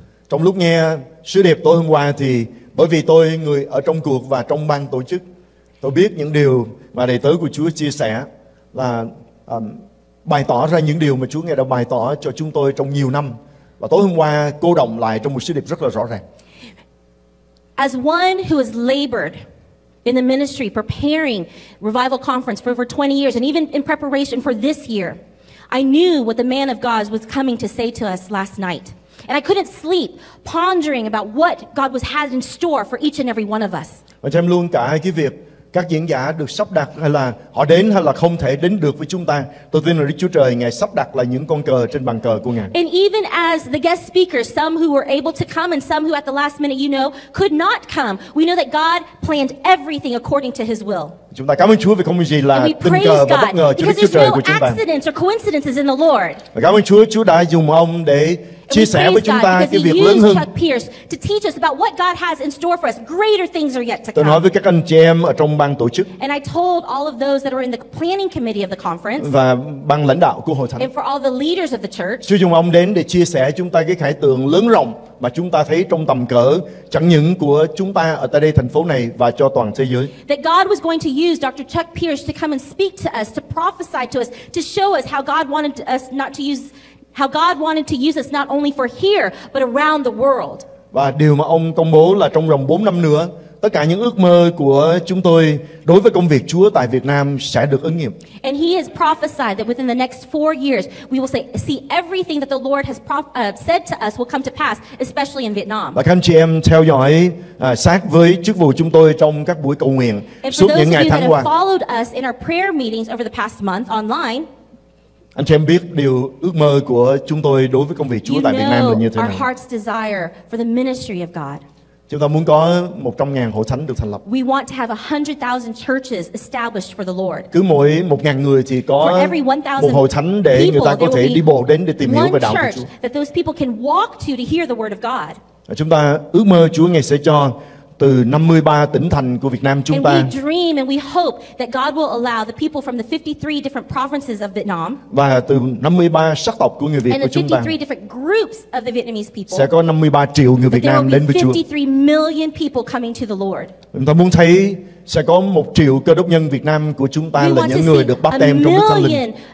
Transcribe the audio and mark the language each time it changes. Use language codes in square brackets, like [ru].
[vi] Trong lúc nghe sứ điệp tối hôm qua thì bởi vì tôi người ở trong cuộc và trong ban tổ chức, tôi biết những điều mà đầy tớ của Chúa chia sẻ là bày tỏ ra những điều mà Chúa Ngài đã bày tỏ cho chúng tôi trong nhiều năm và tối hôm qua cô đọng lại trong một sứ điệp rất là rõ ràng. [en] As one who has labored in the ministry preparing revival conference for over 20 years and even in preparation for this year, I knew what the man of God was coming to say to us last night. And I couldn't sleep pondering about what God was had in store for each and every one of us. [vi] Và xem luôn cả cái việc các diễn giả được sắp đặt hay là họ đến hay là không thể đến được với chúng ta. Tôi tin là Đức Chúa Trời Ngài sắp đặt là những con cờ trên bàn cờ của Ngài. [en] And even as the guest speakers, some who were able to come and some who at the last minute, you know, could not come, we know that God planned everything according to His will. [vi] Chúng ta cảm ơn Chúa vì không có gì là tình cờ và bất ngờ cho Đức Chúa Trời của chúng ta. [en] Because there's no coincidences in the Lord. [vi] Cảm ơn Chúa, Chúa đã dùng ông để chia sẻ với chúng ta cái việc lớn hơn. [en] To teach us about what God has in store for us. Greater things are yet to come. [vi] Tôi nói với các anh chị em ở trong ban tổ chức. [en] And I told all of those that are in the planning committee of the conference. [vi] Và ban lãnh đạo của hội thánh. [en] And for all the leaders of the church. [vi] Chúa dùng ông đến để chia sẻ chúng ta cái khải tượng lớn rộng mà chúng ta thấy trong tầm cỡ chẳng những của chúng ta ở tại đây thành phố này và cho toàn thế giới. [en] That God was going to use Dr. Chuck Pierce to come and speak to us, to prophesy to us, to show us how God wanted us not to use how God wanted to use us not only for here but around the world. [vi] Và điều mà ông công bố là trong vòng 4 năm nữa, tất cả những ước mơ của chúng tôi đối với công việc Chúa tại Việt Nam sẽ được ứng nghiệm. [en] And he has prophesied that within the next 4 years we will see everything that the Lord has said to us will come to pass, especially in Vietnam. [vi] Và các anh chị em theo dõi sát với chức vụ chúng tôi trong các buổi cầu nguyện suốt những ngày tháng qua. [en] And followed us in our prayer meetings over the past month online. [vi] Anh chị em biết điều ước mơ của chúng tôi đối với công việc Chúa tại Việt Nam là như thế nào. [en] Our heart's desire for the ministry of God. [vi] Chúng ta muốn có 100,000 hội thánh được thành lập. [en] We want to have 100,000 churches established for the Lord. [vi] Cứ mỗi 1,000 người thì có một hội thánh để người ta có thể đi bộ đến để tìm hiểu về đạo của Chúa. [en] That those people can walk to hear the word of God. [vi] Chúng ta ước mơ Chúa Ngài sẽ cho từ 53 tỉnh thành của Việt Nam chúng ta. [en] And we dream and we hope that God will allow the people from the 53 different provinces of Vietnam. [vi] Và từ 53 sắc tộc của người Việt của chúng ta. [en] And 53 different groups of the Vietnamese people. [vi] Sẽ có 53 triệu người Việt Nam đến với Chúa. [en] 53 million people coming to the Lord. [vi] Chúng ta muốn thấy sẽ có 1 triệu cơ đốc nhân Việt Nam của chúng ta là những người được báp têm trong Đức Thánh Linh.